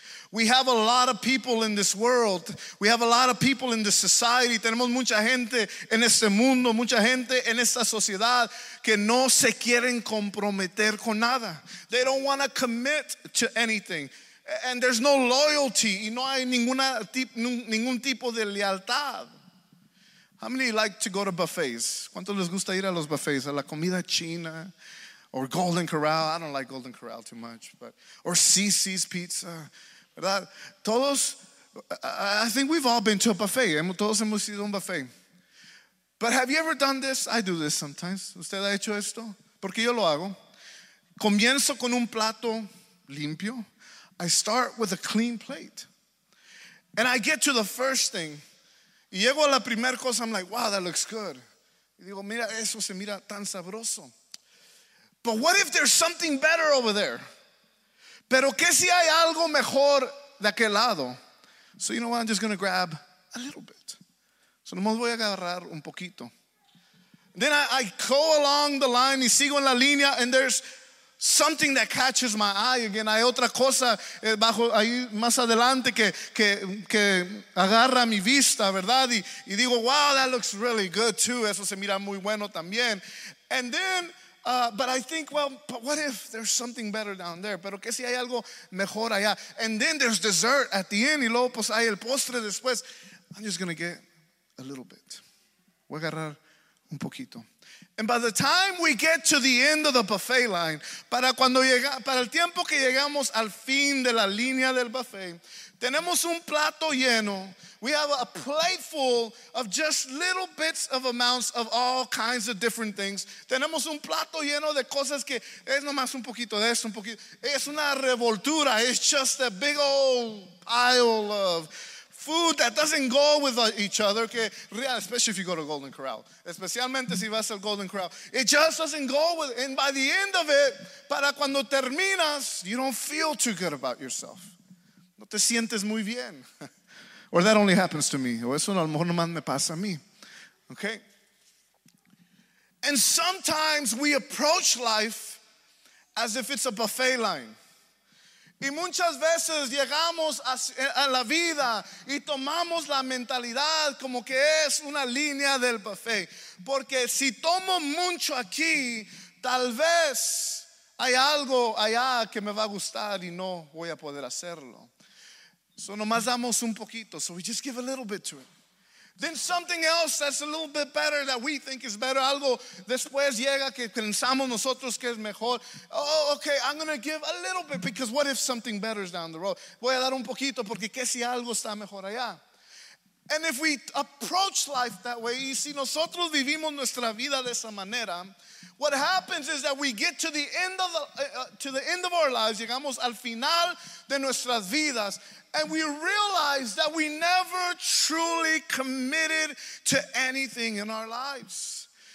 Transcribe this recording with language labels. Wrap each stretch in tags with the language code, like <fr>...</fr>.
<en>We have a lot of people in this world. We have a lot of people in this society.</en> <es>Tenemos mucha gente en este mundo, mucha gente en esta sociedad que no se quieren comprometer con nada.</es> <en>They don't want to commit to anything. And there's no loyalty.</en> <es>Y no hay ningún tipo de lealtad.</es> <en>How many like to go to buffets?</en> <es>¿Cuántos les gusta ir a los buffets? A la comida china.</es> <en>Or Golden Corral. I don't like Golden Corral too much, but or Cici's Pizza, ¿verdad? Todos, I think we've all been to a buffet.</en> <es>Todos hemos ido a un buffet.</es> <en>But have you ever done this? I do this sometimes.</en> <es>¿Usted ha hecho esto? Porque yo lo hago. Comienzo con un plato limpio.</es> <en>I start with a clean plate, and I get to the first thing.</en> <es>Y llego a la primer cosa.</es> <en>I'm like, wow, that looks good.</en> <es>Y digo, mira, eso se mira tan sabroso.</es> <en>But what if there's something better over there?</en> <es>Pero que si hay algo mejor de aquel lado?</es> <en>So you know what? I'm just going to grab a little bit. So</en> <es>nomás voy a agarrar un poquito.</es> <en>Then I go along the line</en> <es>y sigo en la línea,</es> <en>and there's something that catches my eye again.</en> <es>Hay otra cosa bajo ahí más adelante que agarra mi vista, ¿verdad? Y digo,</es> <en>wow, that looks really good too.</en> <es>Eso se mira muy bueno también.</es> <en>And then but I think, well, but what if there's something better down there?</en> <es>Pero que si hay algo mejor allá.</es> <en>And then there's dessert at the end.</en> <es>Y luego pues hay el postre después.</es> <en>I'm just going to get a little bit.</en> <es>Voy a agarrar un poquito.</es> <en>And by the time we get to the end of the buffet line,</en> <es>para el tiempo que llegamos al fin de la línea del buffet, tenemos un plato lleno.</es> <en>We have a plate full of just little bits of amounts of all kinds of different things.</en> <es>Tenemos un plato lleno de cosas que es nomás un poquito de esto, un poquito. Es una revoltura.</es> <en>It's just a big old pile of food that doesn't go with each other. Especially if you go to Golden Corral.</en> <es>Especialmente si vas al Golden Corral.</es> <en>It just doesn't go with it. And by the end of it,</en> <es>para cuando terminas,</es> <en>you don't feel too good about yourself.</en> <es>No te sientes muy bien.</es> <en>Or that only happens to me.</en> <es>O eso a lo mejor nomás me pasa a mí.</es> <en>Okay? And sometimes we approach life as if it's a buffet line.</en> <es>Y muchas veces llegamos a la vida y tomamos la mentalidad como que es una línea del buffet. Porque si tomo mucho aquí, tal vez hay algo allá que me va a gustar y no voy a poder hacerlo.</es> <en>So</en> <es>nomás damos un poquito.</es> <en>So we just give a little bit to it. Then something else that's a little bit better that we think is better.</en> <es>Algo después llega que pensamos nosotros que es mejor.</es> <en>Oh, okay, I'm going to give a little bit because what if something better is down the road?</en> <es>Voy a dar un poquito porque qué si algo está mejor allá.</es> <en>And if we approach life that way,</en> <es>y si nosotros vivimos nuestra vida de esa manera,</es> <en>what happens is that we get to the end of our lives,</en> <es>llegamos al final de nuestras vidas,</es> <en>and we realize that we never truly committed to anything in our lives.</en>